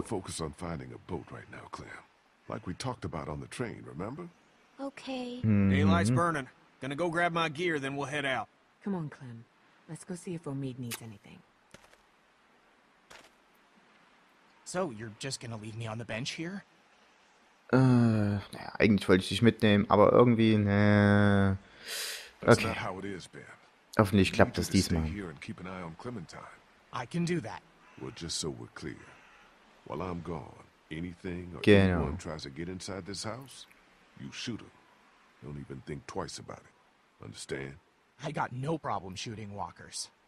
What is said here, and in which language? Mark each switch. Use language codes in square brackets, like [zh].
[en] To focus on finding a boat right now, Clem. Like we talked about on the train, remember? Okay. Daylight's burning. Gonna go grab my gear, then we'll head out. Come on, Clem. Let's go see if Omid needs anything. So, you're just gonna leave me on the bench here? [de] Naja, eigentlich wollte ich dich mitnehmen, aber irgendwie, ne. [en] Okay. That's not how it is, Ben. [de] Hoffentlich klappt das diesmal. [en] Stay here and keep an eye on Clementine. I can do that. Well, just so we're clear. While I'm gone, anything or [de] genau. [en] anyone tries to get inside this house, you shoot him. Don't even think twice about it. Understand? I got no problem shooting walkers.